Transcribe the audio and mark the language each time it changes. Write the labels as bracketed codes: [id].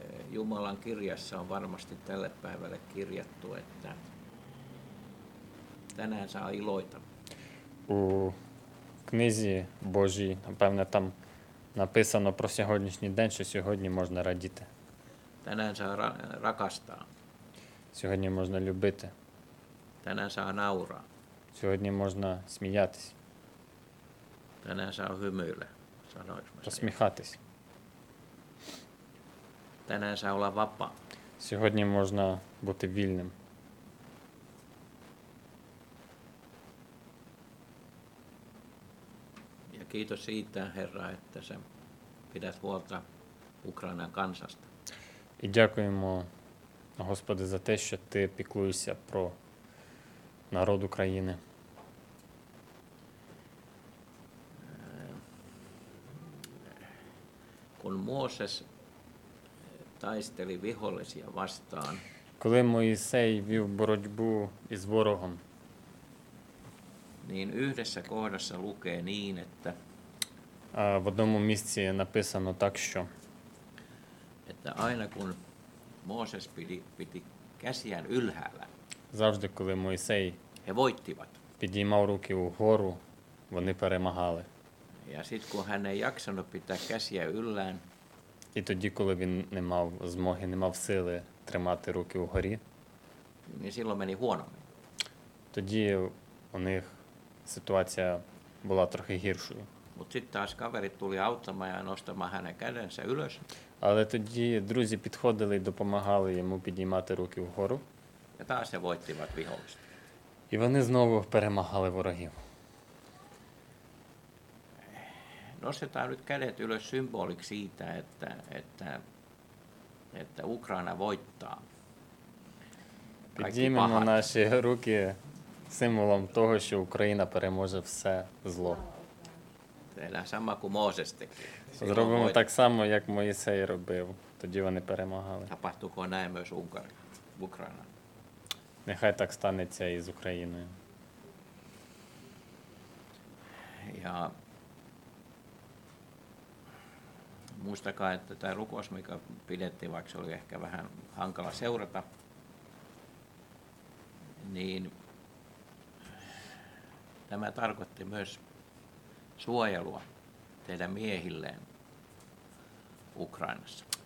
[fi] Jumalan kirjassa on varmasti tälle päivälle kirjattu, että tänään saa iloita. [uk] У книзі Божій, напевно, там написано про сьогоднішній день, що сьогодні можна радіти. [fi] Tänään saa rakastaa. [uk] Сьогодні можна любити. [fi] Tänään saa nauraa. [uk] Сьогодні можна сміятись. [fi] Tänään saa hymyillä, sanois [uk] mä. Посміхатись. [fi] Tänään saa olla vapaa. [uk] Сьогодні можна бути вільним. [fi] Ja kiitos siitä, Herra, että sä pidät huolta Ukrainan kansasta. [uk] І дякуємо, Господи, за те, що ти піклуєшся про народ України. [fi] Kun Mooses taisteli vihollisia vastaan. [uk] Коли Моїсей вів боротьбу із ворогом. [fi] Niin yhdessä kohdassa lukee niin, että [uk] в одному місці написано так, що [fi] että aina kun Mooses piti käsiään ylhäällä. [uk] Завжди коли Моїсей [fi] he voittivat. [uk] Підіймав руки угору, вони перемагали. [fi] Ja sit kun hän ei jaksanut pitää käsiä yllään. [uk] І тоді, коли він не мав змоги, не мав сили тримати руки вгорі, [fi] niin silloin meni huonommin. [uk] Тоді у них ситуація була трохи гіршою. [fi] Mut sit taas kaverit tuli auttamaan ja nostamaan hänen kädensä ylös. [uk] Але тоді друзі підходили і допомагали йому підіймати руки вгору. [fi] Ja taas he voittivat vihollista. [uk] І вони знову перемагали ворогів. [fi] Nostetaan nyt kädet ylös symboliksi siitä, että Ukraina voittaa. [uk] Підіймемо наші руки символом того, що Україна переможе все зло. [fi] Tehdään sama kuin Mooses teki. [uk] Зробимо так само, як Моїсей робив. Тоді вони перемагали. [fi] Tapahtuuko näin myös Ukraina? Ukraina. [uk] Нехай так станеться і з Україною. [fi] Ja muistakaa, että tämä rukous, mikä pidettiin, vaikka se oli ehkä vähän hankala seurata, niin tämä tarkoitti myös suojelua teidän miehilleen Ukrainassa.